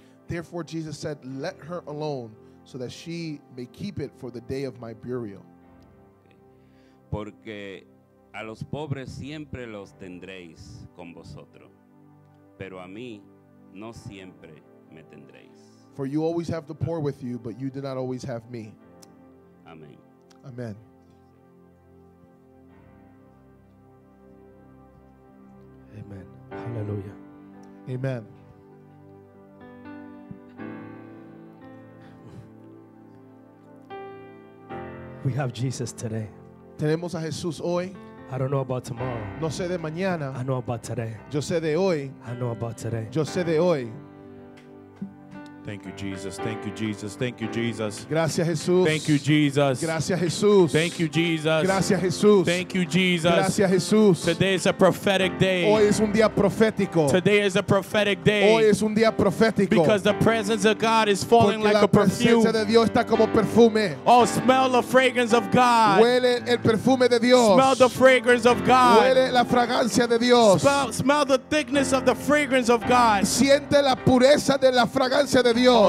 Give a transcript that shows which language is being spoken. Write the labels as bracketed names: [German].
[English] Therefore Jesus said, let her alone, so that she may keep it for the day of my burial. [Spanish] Porque a los pobres siempre los tendréis con vosotros, pero a mí no siempre me tendréis. [English] For you always have the poor with you, but you do not always have me. Amen. Amen. Amen. Hallelujah. Amen. We have Jesus today. [Spanish] Tenemos a Jesús hoy. [English] I don't know about tomorrow. [Spanish] No sé de mañana. [English] I know about today. [Spanish] Yo sé de hoy. [English] I know about today. [Spanish] Yo sé de hoy. [English] Thank you, Jesus. Thank you, Jesus. Thank you, Jesus. [Spanish] Gracias, Jesús. [English] Thank you, Jesus. [Spanish] Gracias, Jesús. [English] Thank you, Jesus. [Spanish] Gracias, Jesús. [English] Thank you, Jesus. [Spanish] Gracias, Jesús. [English] Today is a prophetic day. [Spanish] Hoy es un día profético. [English] Today is a prophetic day. [Spanish] Hoy es un día profético. [English] Because the presence of God is falling [Spanish] porque [English] like a perfume. [Spanish] La presencia de Dios está como perfume. [English] Oh, smell the fragrance of God. [Spanish] Huele el perfume de Dios. [English] Smell the fragrance of God. [Spanish] Huele la fragancia de Dios. [English] Smell the thickness of the fragrance of God. [Spanish] Siente la pureza de la fragancia de Dios.